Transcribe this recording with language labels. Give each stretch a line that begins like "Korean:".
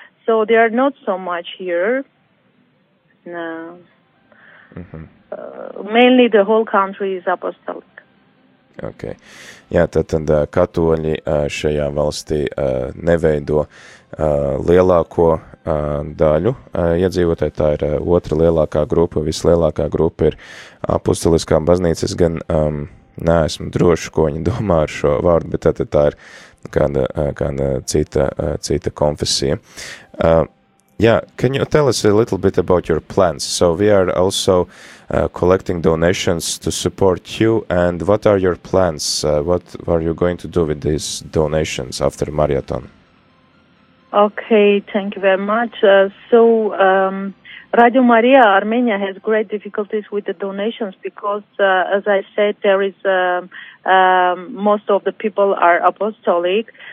English: So they are not so much here. No. Mm-hmm. Mainly the whole country is apostolic. Okay.
Latvian: Jā, tad katoļi šajā valstī neveido lielāko daļu iedzīvotāju. Tā ir otra lielākā grupa. Vislielākā grupa ir apostoliskā baznīca. Es gan neesmu droši, ko viņi domā ar šo vārdu, bet tad tā ir kāda cita konfesija.
English: Yeah, can you tell us a little bit about your plans? So we are also collecting donations to support you, and what are your plans? What are you going to do with these donations after Marathon? Okay, thank you very much. So Radio Maria Armenia has great difficulties with the donations because, as I said, there is most of the people are apostolic.